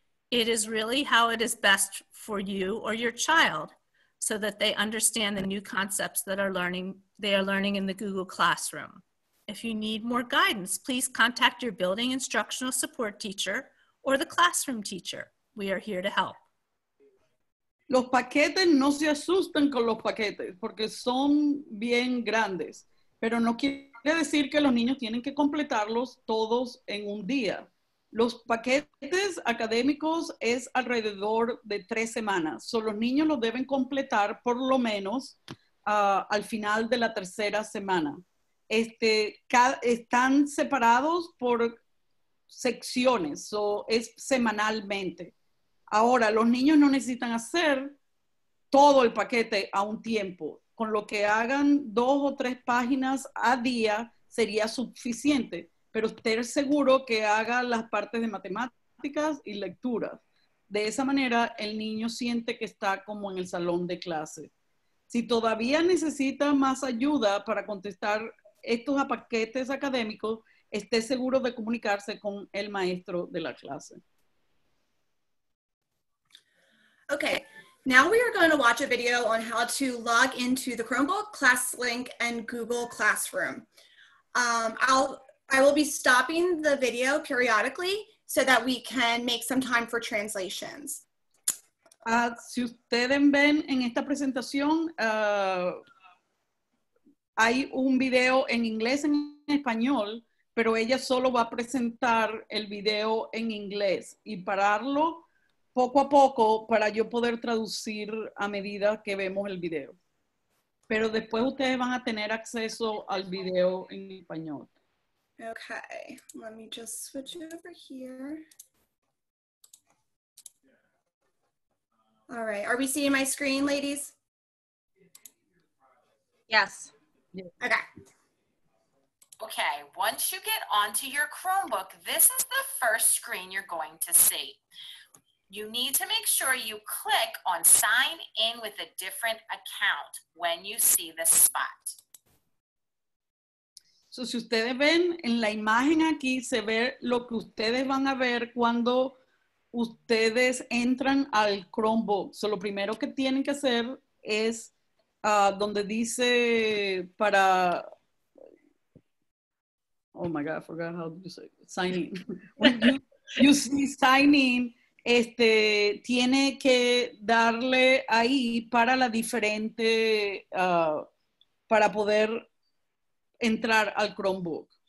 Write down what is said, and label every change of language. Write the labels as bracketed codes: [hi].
[en] It is really how it is best for you or your child so that they understand the new concepts that they are learning in the Google Classroom. If you need more guidance, please contact your building instructional support teacher or the classroom teacher. We are here to help. [es] Los paquetes, no se asusten con los paquetes porque son bien grandes, pero no quiere decir que los niños tienen que completarlos todos en un día. Los paquetes académicos es alrededor de 3 semanas. So los niños los deben completar por lo menos al final de la tercera semana. Están separados por secciones, so es semanalmente. Ahora, los niños no necesitan hacer todo el paquete a un tiempo. Con lo que hagan 2 o 3 páginas a día sería suficiente. Pero estar seguro que haga las partes de matemáticas y lecturas. De esa manera, el niño siente que está como en el salón de clase. Si todavía necesita más ayuda para contestar estos paquetes académicos, esté seguro de comunicarse con el maestro de la clase. [en] Okay, now we are going to watch a video on how to log into the Chromebook, ClassLink, and Google Classroom. I will be stopping the video periodically so that we can make some time for translations. [es] Si ustedes ven en esta presentación, hay un video en inglés en español, pero ella solo va a presentar el video en inglés y pararlo poco a poco para yo poder traducir a medida que vemos el video. Pero después ustedes van a tener acceso al video en español. [en] Okay, let me just switch it over here. All right, are we seeing my screen, ladies? Yes. Okay. Okay, once you get onto your Chromebook, this is the first screen you're going to see. You need to make sure you click on sign in with a different account when you see this spot. [es] So, si ustedes ven en la imagen aquí, se ve lo que ustedes van a ver cuando ustedes entran al Chromebook. So, lo primero que tienen que hacer es donde dice para... [en] Oh my God, I forgot how to say it. Sign in. When you see sign in, [es] tiene que darle ahí para la diferente, para poder... entrar al Chromebook.